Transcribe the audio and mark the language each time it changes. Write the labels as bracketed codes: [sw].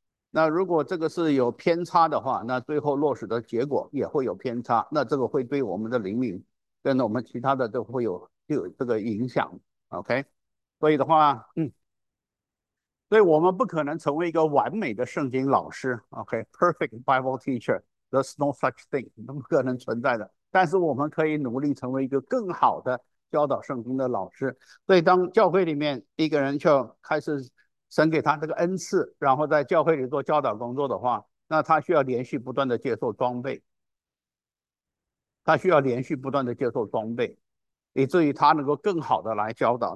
[zh] 那如果这个是有偏差的话，那最后落实的结果也会有偏差，那这个会对我们的灵敏跟我们其他的都会有这个影响。 OK，所以的话，所以我们不可能成为一个完美的圣经老师。 [en] OK，perfect Bible teacher，there's no such thing， [zh] 不可能存在的。但是我们可以努力成为一个更好的教导圣经的老师。所以当教会里面一个人就开始，神给他这个恩赐，然后在教会里做教导工作的话，那他需要连续不断的接受装备，他需要连续不断的接受装备，以至于他能够更好的来教导。